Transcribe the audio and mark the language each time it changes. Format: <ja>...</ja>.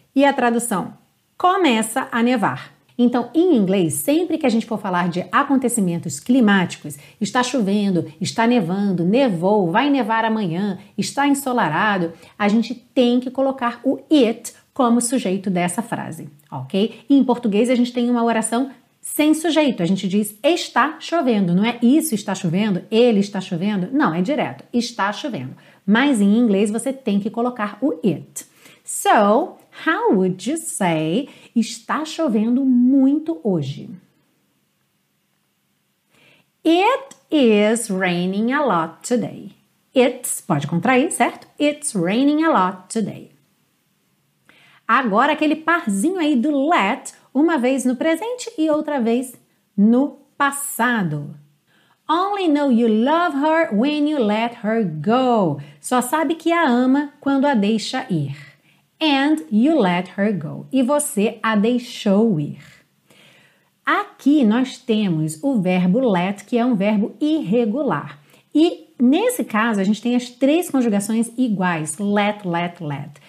<pt>E a tradução, começa a nevar. Então, em inglês, sempre que a gente for falar de acontecimentos climáticos, está chovendo, está nevando, nevou, vai nevar amanhã, está ensolarado, a gente tem que colocar o it como sujeito dessa frase, ok? E em português, a gente tem uma oração sem sujeito. A gente diz está chovendo, não é isso está chovendo, ele está chovendo, não, é direto, está chovendo. Mas em inglês, você tem que colocar o it.</pt> <en>So, how would you say,</en> <pt>está chovendo muito hoje?</pt> <en>It is raining a lot today. It's,</en> <pt>pode contrair, certo?</pt> <en>It's raining a lot today.</en> <pt>Agora aquele parzinho aí do let, uma vez no presente e outra vez no passado.</pt> <en>Only know you love her when you let her go.</en> <pt>Só sabe que a ama quando a deixa ir.</pt> <en>And you let her go.</en> <pt>E você a deixou ir. Aqui nós temos o verbo let, que é um verbo irregular. E nesse caso, a gente tem as três conjugações iguais. Let, let, let.</pt>